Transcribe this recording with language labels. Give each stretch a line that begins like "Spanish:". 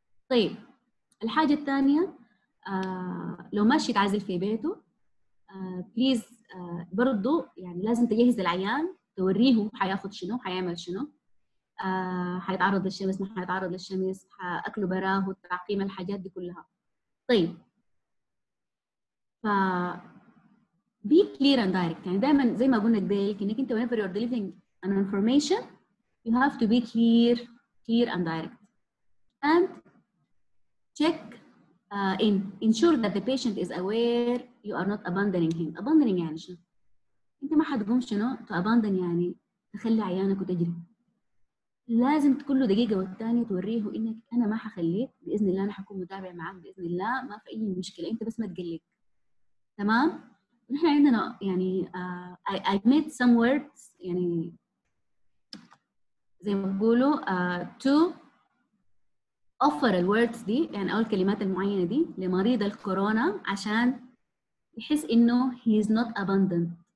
Arabic: طيب الحاجه الثانيه لو ماشي تعزل في بيته بليز برضو يعني لازم تجهز العيان توريه حياخد شنو حيعمل شنو حيتعرض للشمس ما حيتعرض للشمس حاكله براه وتعقيم الحاجات دي كلها. طيب ف
English: be clear and direct
Arabic: يعني دائما زي ما قلنا قبل انك انت
English: whenever you're delivering an information you have to be clear and direct and check ensure that the patient is aware you are not abandoning him.
Arabic: Abandoning يعني شنو؟ انت ما حتقوم شنو تو اباندن يعني تخلي عيانك وتجري. لازم كل دقيقه والثانيه توريه انك انا ما حخليك باذن الله انا حكون متابع معاك باذن الله ما في اي مشكله انت بس ما تقلق تمام. نحن عندنا يعني
English: I made some words
Arabic: يعني زي ما بقولوا
English: to offer the words
Arabic: دي يعني اول كلمات المعينه دي لمريض الكورونا عشان يحس انه
English: he is not abandoned.